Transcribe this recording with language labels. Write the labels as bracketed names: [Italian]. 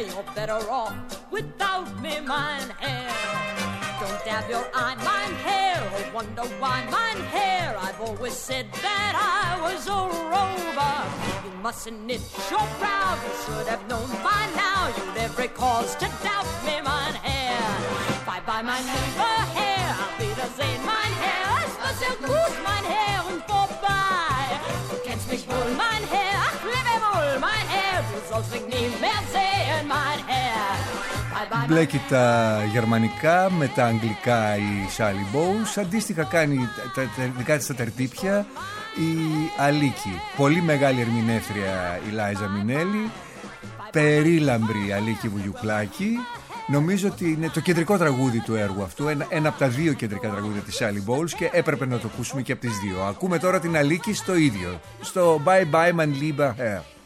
[English] You're better off without me, [German] mein Herr. [English] Don't dab your eye, [German] mein Herr, [English] or wonder why, [German] mein Herr. [English] I've always said that I was a rover. You mustn't knit your brow, you should have known by now. You'd every cause to doubt me, [German] mein Herr. [English] Bye-bye, [German] mein lieber Herr, auf Wiedersehen, mein Herr. Es war sehr gut, mein Herr, und vorbei. Du kennst mich wohl, mein Herr, ach, lebe wohl, mein Herr. Du sollst mich nie mehr sehen, mein Herr. [Greek] Μπλέκει τα γερμανικά με τα αγγλικά η Sally Bowles. Αντίστοιχα κάνει τα δικά της τα τερτύπια η Αλίκη. Πολύ μεγάλη ερμηνεύτρια η Λάιζα Μινέλη. Περίλαμπρη η Αλίκη Βουγιουκλάκη. Νομίζω ότι είναι το κεντρικό τραγούδι του έργου αυτού. Ένα από τα δύο κεντρικά τραγούδια της Sally Bowles. Και έπρεπε να το ακούσουμε και από τις δύο. Ακούμε τώρα την Αλίκη στο ίδιο. Στο Bye Bye Mein Lieber Herr.